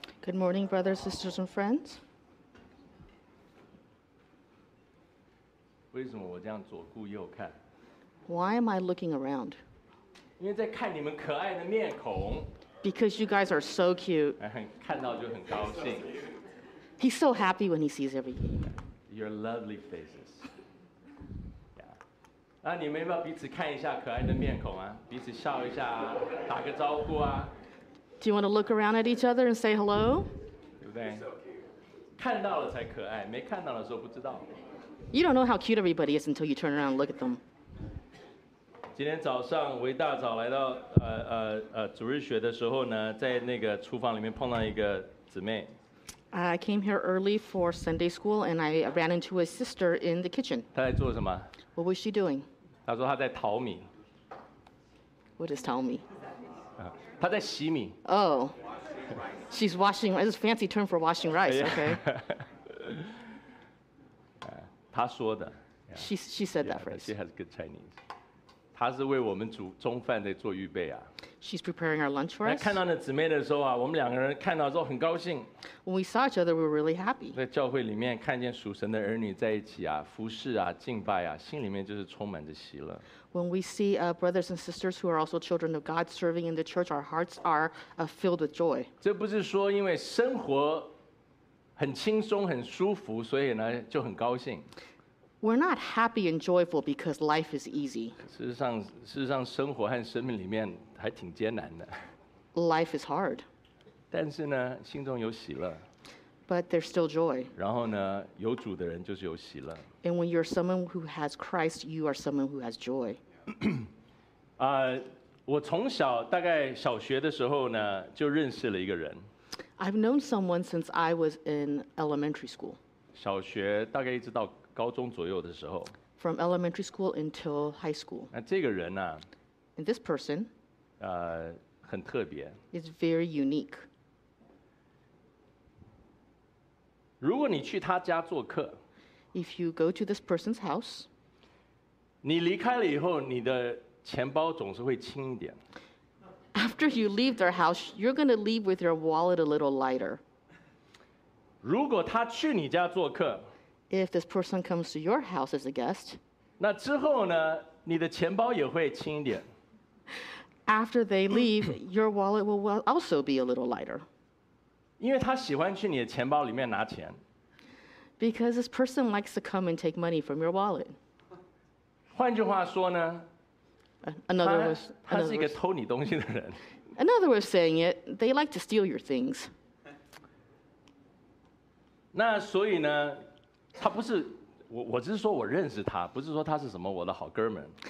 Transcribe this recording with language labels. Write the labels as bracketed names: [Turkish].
[English] Good morning, brothers, sisters, and friends. [Chinese] 为什么我这样左顾右看？ [English] Why am I looking around? [Chinese] 因为在看你们可爱的面孔。 [English] Because you guys are so cute. [Chinese] 看到就很高兴。 [English] He's so happy when he sees everything. Your lovely faces. [Chinese] 那你们要不要彼此看一下可爱的面孔啊？彼此笑一下啊，打个招呼啊。 [English] Do you want to look around at each other and say hello? [Chinese] 对不对？看到了才可爱，没看到的时候不知道。 [English] You don't know how cute everybody is until you turn around and look at them. [Chinese] 今天早上我一大早来到主日学的时候呢，在那个厨房里面碰到一个姊妹。 [English] I came here early for Sunday school and I ran into a sister in the kitchen. [Chinese] 她在做什么？ [English] What was she doing? [Chinese] 她说她在淘米。 [English] What is 淘米？ [Chinese] 她在洗米。 [English] Oh, she's washing. It's a fancy term for washing rice. Okay. [Chinese] 她说的。 [English] She said that phrase. She has good Chinese. [Chinese] 她是为我们煮中饭在做预备啊。 [English] She's preparing our lunch for us. [Chinese] 看到那姊妹的时候啊，我们两个人看到之后很高兴。 [English] When we saw each other, we were really happy. [Chinese] 在教会里面看见属神的儿女在一起啊，服侍啊，敬拜啊，心里面就是充满着喜乐。 [English] When we see brothers and sisters who are also children of God serving in the church, our hearts are filled with joy. [Chinese] 这不是说因为生活很轻松很舒服，所以呢就很高兴。 [English] We're not happy and joyful because life is easy. [Chinese] 事实上生活和生命里面还挺艰难的。 [English] Life is hard. [Chinese] 但是呢，心中有喜乐。 [English] But there's still joy. [Chinese] 然后呢，有主的人就是有喜乐。 [English] And when you're someone who has Christ, you are someone who has joy. [Chinese] 我从小大概小学的时候呢，就认识了一个人。 [English] I've known someone since I was in elementary school. [Chinese] 小学大概一直到高中左右的时候。 [English] From elementary school until high school. [Chinese] 那这个人呢、啊、 [English] ？And this person. [Chinese] 很特别。 [English] It's very unique. [Chinese] 如果你去他家做客。 [English] If you go to this person's house. [Chinese] 你离开了以后，你的钱包总是会轻一点。 [English] After you leave their house, you're going to leave with your wallet a little lighter. [Chinese] 如果他去你家做客。 [English] If this person comes to your house as a guest, [Chinese] 那之后呢，你的钱包也会轻一点。 [English] After they leave, your wallet will also be a little lighter. [Chinese] 因为他喜欢去你的钱包里面拿钱。 [English] Because this person likes to come and take money from your wallet. [Chinese] 换句话说呢， [English] another way, [Chinese] 他是一个偷你东西的人。 [English] Another way of saying it, they like to steal your things. [Chinese] 那所以呢？他不是我只是说我认识他，不是说他是什么我的好哥们。